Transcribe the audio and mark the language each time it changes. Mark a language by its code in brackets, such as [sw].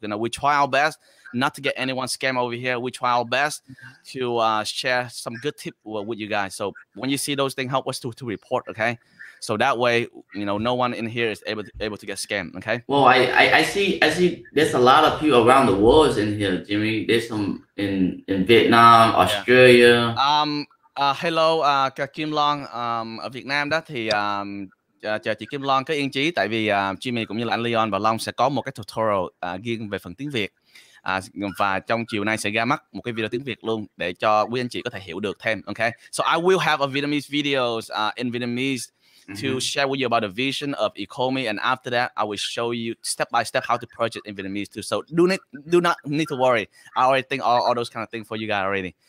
[en] You know, we try our best not to get anyone scammed over here. We try our best to share some good tip with you guys. So when you see those things, help us to report, okay? So that way, you know, no one in here is able to get scammed, okay? Well, I see there's a lot of people around the world in here, Jimmy. There's some in Vietnam, Australia. Yeah. [vi] Hello, Kim Long, ở Việt Nam đó thì chờ chị Kim Long có yên chí, tại vì Jimmy cũng như là anh Leon và Long sẽ có một cái tutorial riêng về phần tiếng Việt. và trong chiều nay sẽ ra mắt một cái video tiếng Việt luôn để cho quý anh chị có thể hiểu được thêm. [en] Okay, so I will have a Vietnamese videos in Vietnamese to share with you about the vision of Ecomi, and after that I will show you step by step how to purchase in Vietnamese too. So do not need to worry. I already think all those kind of things for you guys already.